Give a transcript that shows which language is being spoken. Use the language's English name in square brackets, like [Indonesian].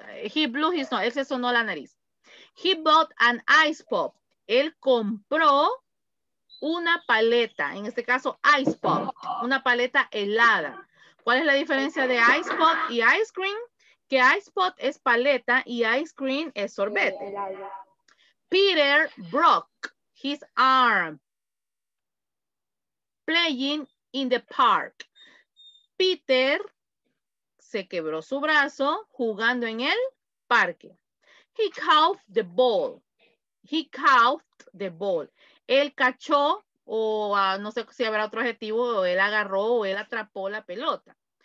[English] He blew his nose, [Spanish] él se sonó la nariz. [English] He bought an ice pop. [Spanish] Él compró una paleta, en este caso ice pop, una paleta helada. ¿Cuál es la diferencia de ice pop y ice cream? Que ice pop es paleta y ice cream es sorbete. [English] Peter broke his arm playing in the park. [Spanish] Peter se quebró su brazo jugando en el parque. [English] He coughed the ball. He coughed the ball. [Spanish] Él cachó, no sé si habrá otro adjetivo, o él agarró o él atrapó la pelota.